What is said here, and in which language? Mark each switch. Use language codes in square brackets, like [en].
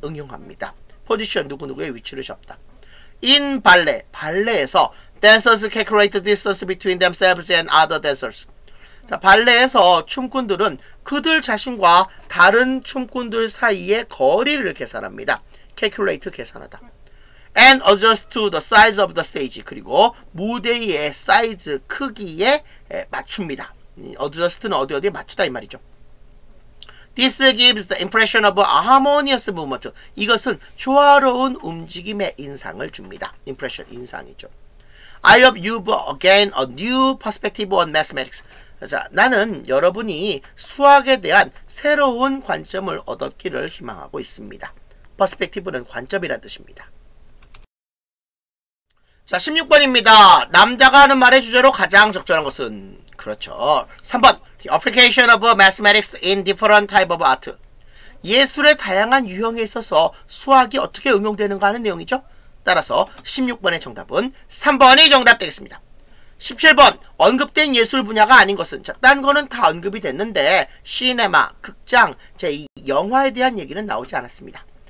[ko] 응용합니다. [en] Position, 누구누구의 위치를 잡다. In ballet, [ko] 발레에서 [en] Dancers calculate distance between themselves and other dancers. [ko] 자, 발레에서 춤꾼들은 그들 자신과 다른 춤꾼들 사이의 거리를 계산합니다. Calculate, 계산하다. [en] And adjust to the size of the stage. [ko] 그리고 무대의 사이즈, 크기에 맞춥니다. Adjust는 어디 어디에 맞추다 이 말이죠. [en] This gives the impression of a harmonious movement. [ko] 이것은 조화로운 움직임의 인상을 줍니다. [en] Impression, [ko] 인상이죠. [en] I hope you've again a new perspective on mathematics. [ko] 자, 나는 여러분이 수학에 대한 새로운 관점을 얻었기를 희망하고 있습니다. Perspective는 관점이란 뜻입니다. 자, 16번입니다. 남자가 하는 말의 주제로 가장 적절한 것은? 그렇죠. 3번. [en] The application of mathematics in different type of art. [ko] 예술의 다양한 유형에 있어서 수학이 어떻게 응용되는가 하는 내용이죠. 따라서 16번의 정답은 3번이 정답되겠습니다. 17번. 언급된 예술 분야가 아닌 것은? 자, 딴 거는 다 언급이 됐는데 시네마, 극장, 제 영화에 대한 얘기는 나오지 않았습니다.